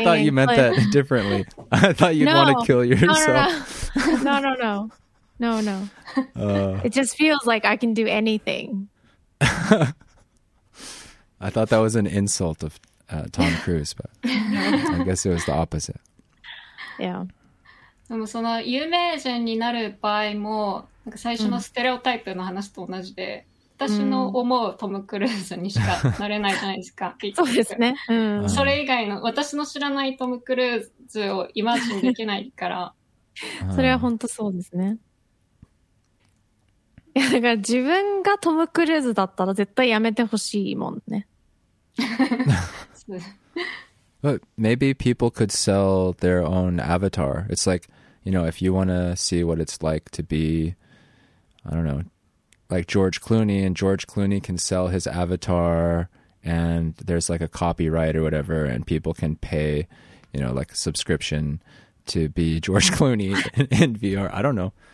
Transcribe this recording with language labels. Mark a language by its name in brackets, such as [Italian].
[English] I thought you meant that differently. I thought you'd want to kill yourself. No. It just feels like I can do anything. I thought that was an insult of Tom Cruise, but I guess it was the opposite. Yeah. [Japanese] でもその有名人になる場合も、なんか最初のステレオタイプの話と同じで、私の思うトム・クルーズにしかなれないじゃないですか。そうですね。それ以外の私の知らないトム・クルーズをイマジンできないから。それは本当そうですね。いやだから自分がトム・クルーズだったら絶対やめてほしいもんね。 [English] But maybe people could sell their own avatar. It's like, you know, if you want to see what it's like to be, I don't know, like George Clooney, and George Clooney can sell his avatar and there's like a copyright or whatever and people can pay, you know, like a subscription to be George Clooney in VR. I don't know.